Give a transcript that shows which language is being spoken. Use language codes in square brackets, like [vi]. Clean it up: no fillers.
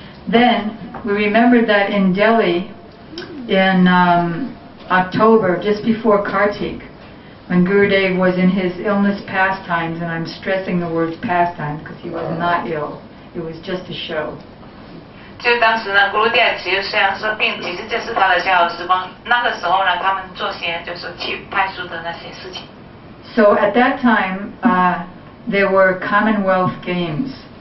[en] Then, we remembered that in Delhi, in October, just before Kartik, when Gurudev was in his illness pastimes, and I'm stressing the words pastimes because he was not ill, it was just a show. [zh] 就当时呢 Gurudev 其实虽然说病，其实这是他的逍遥时光。那个时候呢，他们做些就是去派书的那些事情。 [en] So at that time, there were Commonwealth Games.